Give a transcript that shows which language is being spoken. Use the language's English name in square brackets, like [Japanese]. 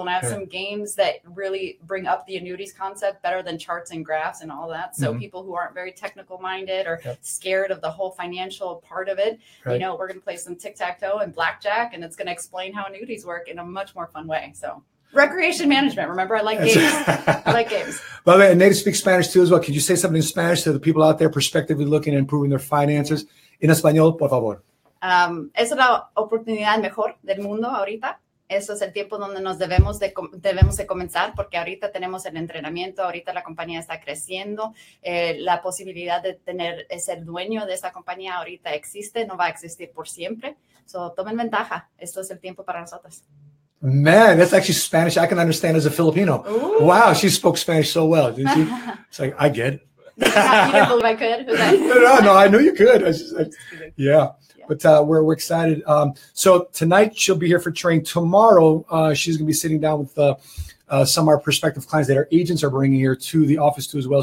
[English] And I have some games that really bring up the annuities concept better than charts and graphs and all that. So people who aren't very technical minded or scared of the whole financial part of it, you know, we're going to play some tic-tac-toe and blackjack, and it's going to explain how annuities work in a much more fun way. So recreation management. Remember, I like games. By the way, and native speak Spanish too as well. Could you say something in Spanish to the people out there prospectively looking at improving their finances? [Spanish] En español, por favor. Es la oportunidad mejor del mundo ahorita. Eso es el tiempo donde nos debemos de comenzar, porque ahorita tenemos el entrenamiento, ahorita la compañía está creciendo, la posibilidad de tener ser dueño de esta compañía ahorita existe, no va a existir por siempre. So tomen ventaja. Esto es el tiempo para nosotros. [English] Man, that's actually Spanish I can understand as a Filipino. Ooh. Wow, she spoke Spanish so well. Did she? It's like, I get it. You didn't believe I could? No, I knew you could. I just, yeah. But we're excited. So tonight she'll be here for training. Tomorrow she's going to be sitting down with some of our prospective clients that our agents are bringing here to the office too as well.